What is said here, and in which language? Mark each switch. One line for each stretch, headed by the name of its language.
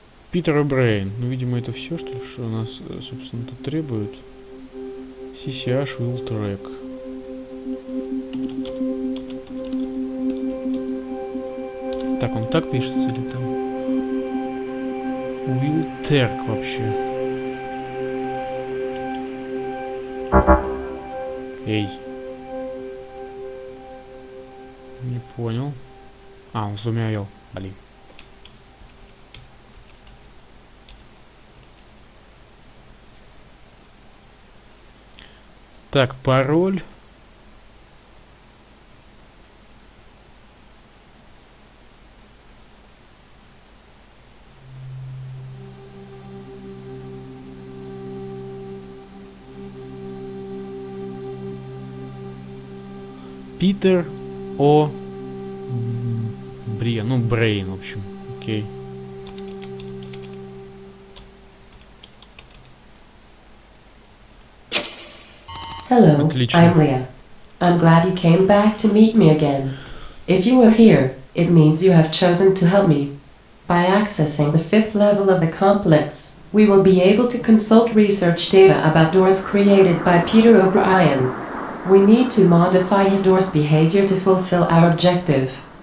Russian: Питер Брейн. Ну, видимо, это все, что у нас, собственно, тут требует.
English: CCH will track.
Russian: Так, он так пишется или там? Will Terk вообще. Эй. Не понял. А, он зумяил. Блин. Так, пароль. Питер О. Брия, ну Брейн, в общем, окей. Hello, отлично.
English: I'm Leah. I'm glad you came back to meet me again. If you are here, it means you have chosen to help me. By accessing the fifth level of the complex, we will be able to consult research data about doors created by Peter O'Brien. We need to modify his door's behavior to fulfill our objective.